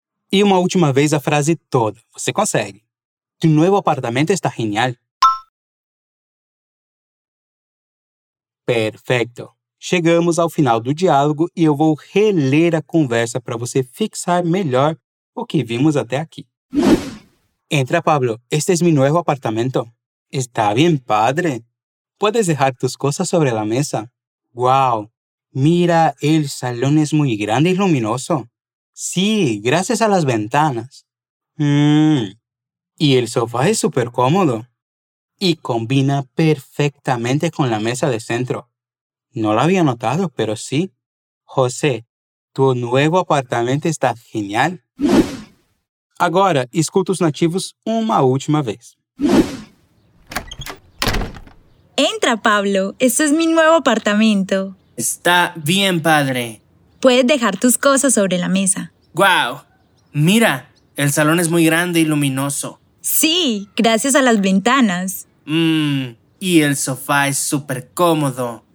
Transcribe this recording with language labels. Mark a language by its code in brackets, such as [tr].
[pt] E uma última vez a frase toda. Você consegue. Tu novo apartamento está genial. Perfeito. Chegamos ao final do diálogo e eu vou reler a conversa para você fixar melhor o que vimos até aqui. [es] Entra, Pablo. Este es mi nuevo apartamento. Está bien, padre. Puedes dejar tus cosas sobre la mesa. Wow, mira, el salón es muy grande y luminoso. Sí, gracias a las ventanas. Y el sofá es súper cómodo. Y combina perfectamente con la mesa de centro. No lo había notado, pero sí. José, tu nuevo apartamento está genial. [pt] Agora, escuta os nativos uma última vez. [es] Entra, Pablo. Este es mi nuevo apartamento. Está bien, padre. Puedes dejar tus cosas sobre la mesa. ¡Guau! Mira, el salón es muy grande y luminoso. Sí, gracias a las ventanas. Y el sofá es súper cómodo.